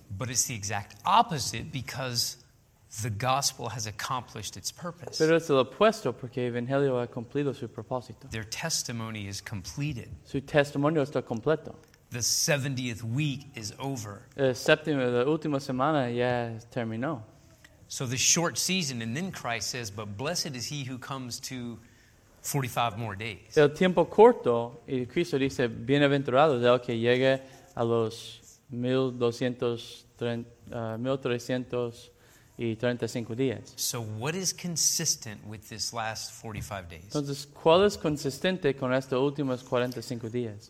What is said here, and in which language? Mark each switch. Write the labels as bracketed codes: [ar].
[en] But it's the exact opposite because the gospel has accomplished its purpose. [es] Pero es lo opuesto porque el evangelio ha cumplido su propósito. [en] Their testimony is completed. [es] Su testimonio está completo. [en] The 70th week is over. [es] La última semana ya terminó. [en] So the short season, and then Christ says, but blessed is he who comes to 45 more days. [es] El tiempo corto, y Cristo dice, bienaventurado es el que llegue a los 1,335 días. [en] So what is consistent with this last 45 days? [es] Entonces, ¿cuál es consistente con estos últimos 45 días?